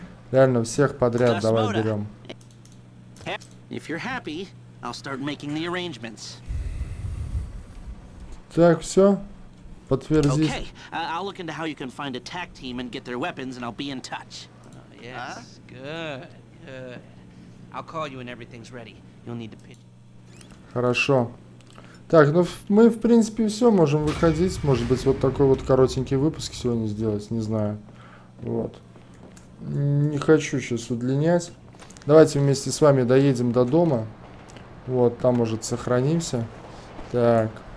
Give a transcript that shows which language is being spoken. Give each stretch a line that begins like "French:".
Russian: Реально, всех подряд давай берем.
English: If you're happy, I'll start making the arrangements.
Russian: Так, все. Подтвердить.
English: Okay. I'll look into how you can find a tac team and get their weapons, and I'll be in touch. Yes, good. I'll call you when everything's ready. You'll need to pitch.
Russian: Хорошо. Так, ну мы, в принципе, все, можем выходить. Может быть, вот такой вот коротенький выпуск сегодня сделать, не знаю. Вот. Не хочу сейчас удлинять. Давайте вместе с вами доедем до дома. Вот, там, может, сохранимся. Так.